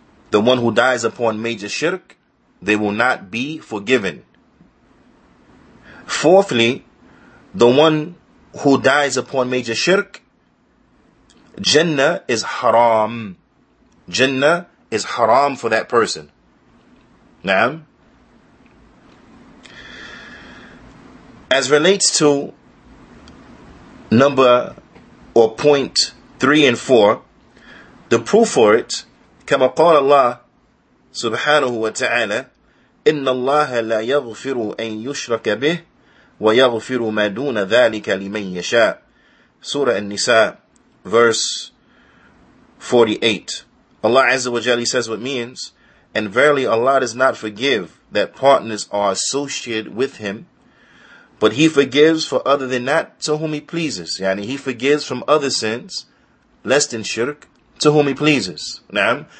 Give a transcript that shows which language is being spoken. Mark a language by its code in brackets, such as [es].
[en] The one who dies upon major shirk, they will not be forgiven. Fourthly, the one who dies upon major shirk, Jannah is haram for that person. Naam. As relates to point 3 and 4, the proof for it, [ar] كَمَا قَالَ اللَّهُ سُبْحَانَهُ وَتَعَالَى إِنَّ اللَّهَ لَا يَغْفِرُ أَن يُشْرَكَ بِهِ وَيَغْفِرُ مَا دُونَ ذَٰلِكَ لِمَنْ يَشَاءُ. [en] Surah An-Nisa, verse 48. Allah Azza wa Jalla says what means, and verily Allah does not forgive that partners are associated with Him, but He forgives for other than that to whom He pleases. Yani He forgives from other sins, less than shirk, to whom He pleases. Naam.